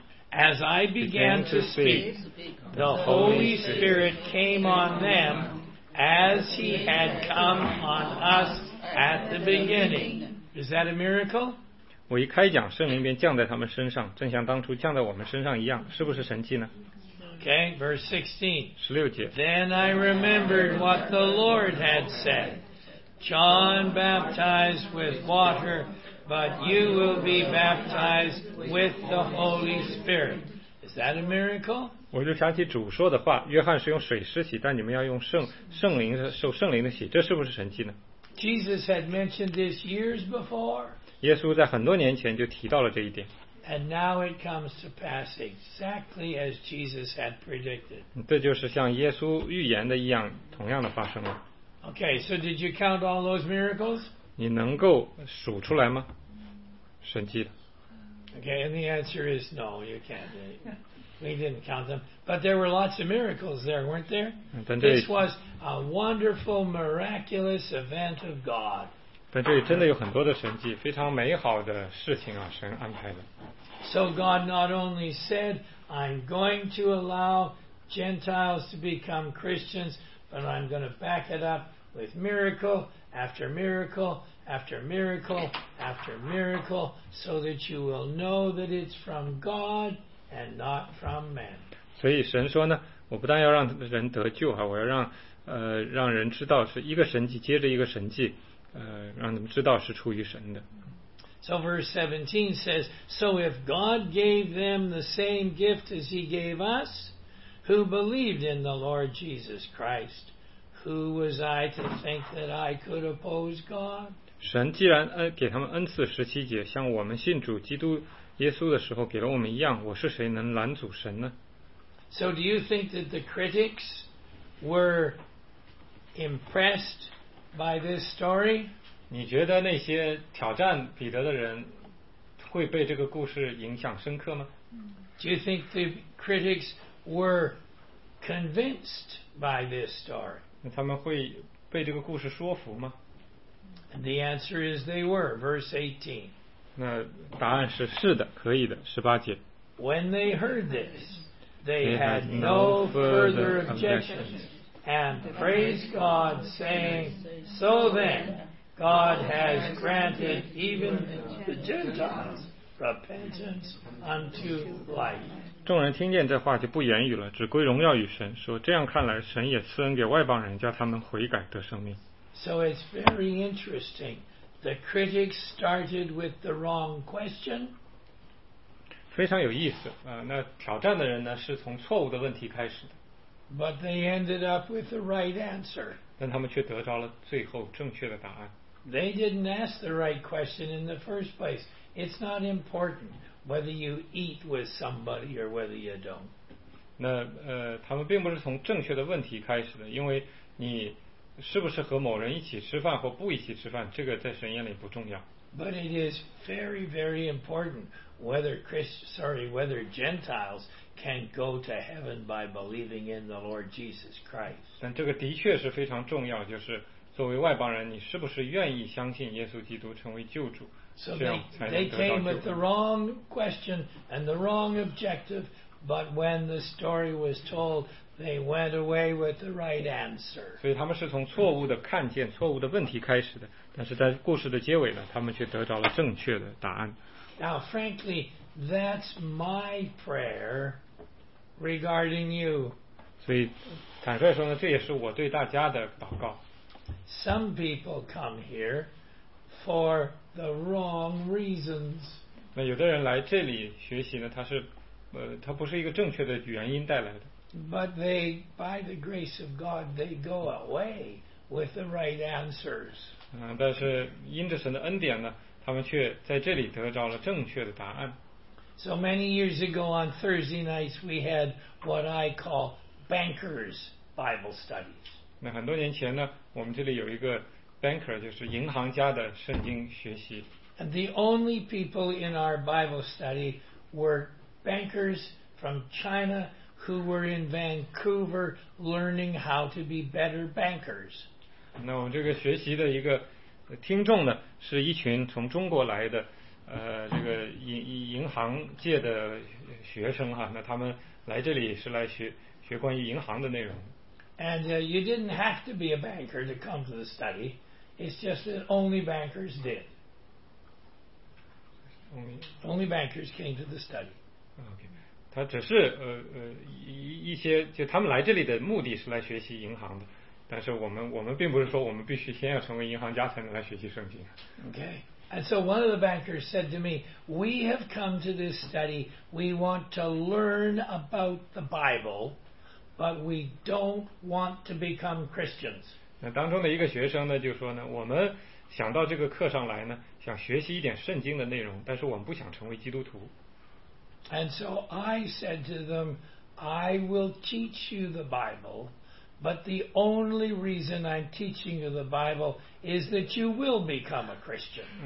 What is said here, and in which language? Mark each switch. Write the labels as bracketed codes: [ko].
[en] As I began to speak, the Holy Spirit came on them as he had come on us at the beginning. Is that a miracle? [zh] 我一开讲，圣灵便降在他们身上，正像当初降在我们身上一样，是不是神迹呢？ [en] Okay, verse 16. [zh] 十六节。 [en] Then I remembered what the Lord had said. John baptized with water, but you will be baptized with the Holy Spirit. Is that a miracle? [zh] 我就想起主说的话，约翰是用水施洗，但你们要用圣灵受圣灵的洗，这是不是神迹呢？ [en] Jesus had mentioned this years before. [zh] 耶稣在很多年前就提到了这一点。 [en] And now it comes to pass exactly as Jesus had predicted. [zh] 这就是像耶稣预言的一样，同样的发生了。 [en] Okay, so did you count all those miracles? [zh] 你能够数出来吗？神迹的。 [en] Okay, and the answer is no, you can't. We didn't count them. But there were lots of miracles there, weren't there? This was a wonderful, miraculous event of God. [zh] 但这里真的有很多的神迹，非常美好的事情啊，神安排的。 [en] So God not only said, I'm going to allow Gentiles to become Christians, but I'm going to back it up with miracle after miracle after miracle after miracle, so that you will know that it's from God and not from man. [zh] 所以神说呢，我不但要让人得救啊，我要让让人知道是一个神迹接着一个神迹。让他们知道是出于神的。 [en] So verse 17 says, So if God gave them the same gift as he gave us, who believed in the Lord Jesus Christ, who was I to think that I could oppose God? [zh] 神既然给他们恩赐十七节，像我们信主基督耶稣的时候给了我们一样，我是谁能拦阻神呢？ [en] So do you think that the critics were impressed by this story? [zh] 你觉得那些挑战彼得的人会被这个故事影响深刻吗？ [en] Do you think the critics were convinced by this story? [zh] 那他们会被这个故事说服吗？ [en] And the answer is they were, verse 18. [zh] 那答案是是的，可以的，十八节。 [en] When they heard this, they had no further objections. And praise God, saying, So then, God has granted even the Gentiles repentance unto life. [zh] 众人听见这话就不言语了，只归荣耀与神，说这样看来，神也赐恩给外邦人，叫他们悔改得生命。 [en] So it's very interesting. The critics started with the wrong question. [zh] 非常有意思，那挑战的人呢，是从错误的问题开始的。 [en] But they ended up with the right answer. [zh] 但他们却得到了最后正确的答案。 [en] They didn't ask the right question in the first place. It's not important whether you eat with somebody or whether you don't. [zh] 那他们并不是从正确的问题开始的，因为你是不是和某人一起吃饭或不一起吃饭，这个在神眼里不重要。 [en] But it is very, very important whether Gentiles can go to heaven by believing in the Lord Jesus Christ. [zh] 但这个的确是非常重要，就是作为外邦人，你是不是愿意相信耶稣基督成为救主？ [en] So they came with the wrong question and the wrong objective, but when the story was told, they went away with the right answer. [zh] 所以他们是从错误的看见、错误的问题开始的，但是在故事的结尾呢，他们却得到了正确的答案。 [en] Now, frankly, that's my prayer regarding you. [zh] 所以坦率说呢，这也是我对大家的祷告。 [en] Some people come here for the wrong reasons. [zh] 那有的人来这里学习呢，他是他不是一个正确的原因带来的。 [en] But they, by the grace of God, they go away with the right answers. [zh] 但是因着神的恩典呢，他们却在这里得到了正确的答案。 [en] So many years ago on Thursday nights we had what I call bankers Bible studies. [zh] 那很多年前呢，我们这里有一个 banker， 就是银行家的圣经学习。 [en] And the only people in our Bible study were bankers from China who were in Vancouver learning how to be better bankers. [zh] 那我们这个学习的一个听众呢，是一群从中国来的这个银行界的学生哈，那他们来这里是来学关于银行的内容。 [en] And you didn't have to be a banker to come to the study. It's just that only bankers did. Only bankers came to the study. Okay. [zh] 他只是一些就他们来这里的目的是来学习银行的，但是我们并不是说我们必须先要成为银行家才能来学习圣经。 [en] Okay. And so one of the bankers said to me, "We have come to this study. We want to learn about the Bible, but we don't want to become Christians." [zh] 那当中的一个学生呢，就说呢，我们想到这个课上来呢，想学习一点圣经的内容，但是我们不想成为基督徒。 [en] And so I said to them, "I will teach you the Bible, But the only reason I'm teaching you the Bible is that you will become a Christian.